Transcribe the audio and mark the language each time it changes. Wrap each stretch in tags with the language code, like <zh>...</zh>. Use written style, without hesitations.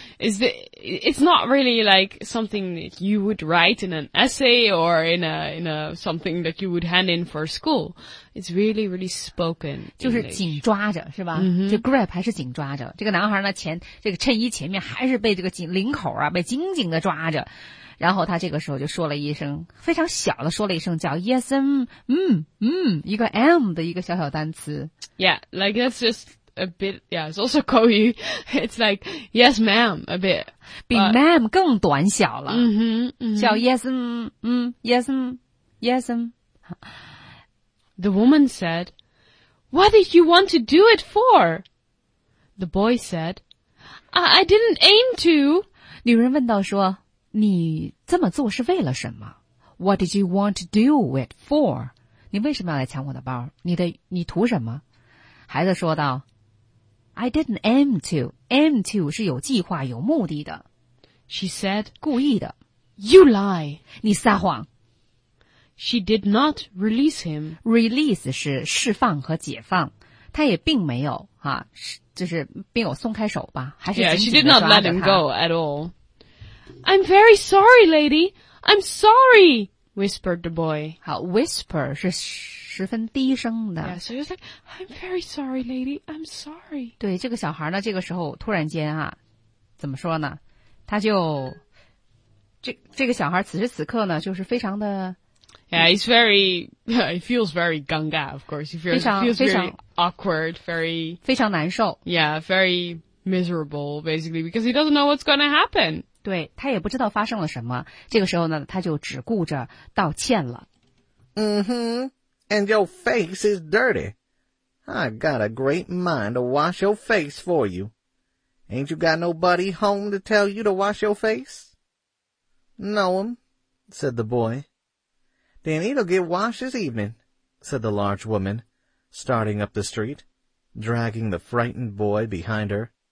<en>It's not really like something that you would write in an essay or in a something that you would hand in for school. It's really, really spoken.</en> <zh>就是紧抓着是吧、 mm-hmm. 就 grip 还是紧抓着。这个男孩呢前这个衬衣前面还是被这个紧领口啊被紧紧的抓着。然后他这个时候就说了一声非常小的说了一声叫 yes, 一个 m 的一个小小单词。</zh> <en>Yeah, like that's just a bit, yeah, it's also</en> <zh>口语</zh> <en>It's like, yes, ma'am, a bit.</en> <zh>比 ma'am 更短小了。 Mm-hmm, mm-hmm.</zh> <en>叫 yes, yes, yes. The woman said, what did you want to do it for? The boy said, I didn't aim to.</en> <zh>女人问道说你这么做是为了什么 ?</zh> <en>What did you want to do it for?</en> <zh>你为什么要来抢我的包你图什么孩子说道 ,</zh> <en>I didn't aim to.</en> <zh>Aim to 是有计划有目的的。</zh> <en>She said,</en> <zh>故意的。</zh> <en>You lie.</en> <zh>你撒谎。</zh> <en>She did not release him.</en> <zh>Release 是释放和解放。他也并没有啊就是并有松开手吧还是</zh> <en>Yeah, she did not let him go at all. I'm very sorry, lady. I'm sorry, whispered the boy.</en> <zh>好 whisper 是十分低声的。</zh> <en>Yeah, so he's like, I'm very sorry, lady. I'm sorry.</en> <zh>对这个小孩呢这个时候突然间啊怎么说呢他就这个小孩此时此刻呢就是非常的。</zh> <en>Yeah, he's very, yeah, he feels very ganga, of course. He feels very awkward, very.</en> <zh>非常难受。</zh> <en>Yeah, very miserable, basically, because he doesn't know what's going to happen.</en> <zh>对他也不知道发生了什么这个时候呢他就只顾着道歉了。</zh> <en>Mm-hmm, and your face is dirty. I got a great mind to wash your face for you. Ain't you got nobody home to tell you to wash your face? No'm, said the boy. Then it'll get washed this evening, said the large woman, starting up the street, dragging the frightened boy behind her.</en>